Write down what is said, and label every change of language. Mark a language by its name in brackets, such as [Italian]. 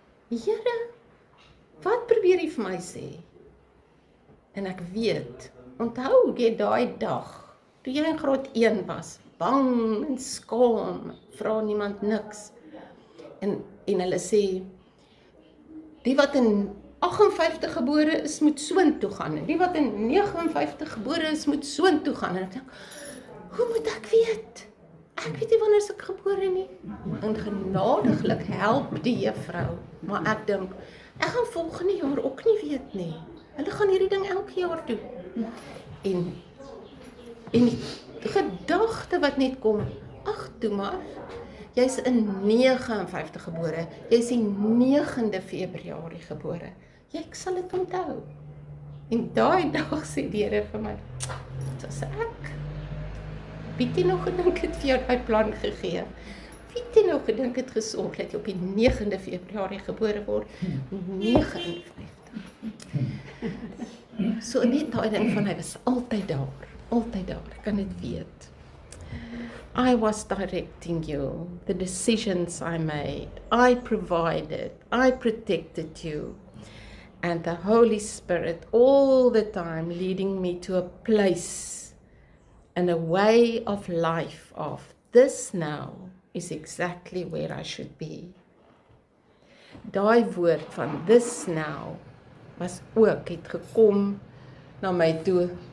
[Afrikaans] Here, wat probeer jy vir my sê? En ek weet, onthou jy daai dag, toe jy in graad 1 was, bang en skaam, vra niemand niks. En hulle sê, die wat in 58 gebore is, moet soon toe gaan. En die wat in 59 gebore is, moet soon toe gaan. En ek dink, hoe moet ek weet? Ek weet nie wanneer ek gebore nie. En genadiglik help die juffrou. Maar ek dink, ek gaan volgende jaar ook nie weet nie. Hulle gaan hierdie ding elke jaar doen. En die gedagte wat net kom, ag toe maar, jy's in 59 gebore. Jy's die 9de Februarie gebore. Jy sal dit onthou. En daai dag sê die Here vir my, dis ek. Pietie nog gedink het vir jou daai plan gegee. Pietie nog gedink het gesorg dat jy op die 9de Februarie gebore word. 59. So net daai ding van hy was altyd daar. Altyd daar. Ek kan dit weet. [English] I was directing you. The decisions I made. I provided. I protected you. And the Holy Spirit all the time leading me to a place and a way of life of this now is exactly where I should be. [Afrikaans] Daai woord van [English] this now [Afrikaans] was ook het gekom na my toe.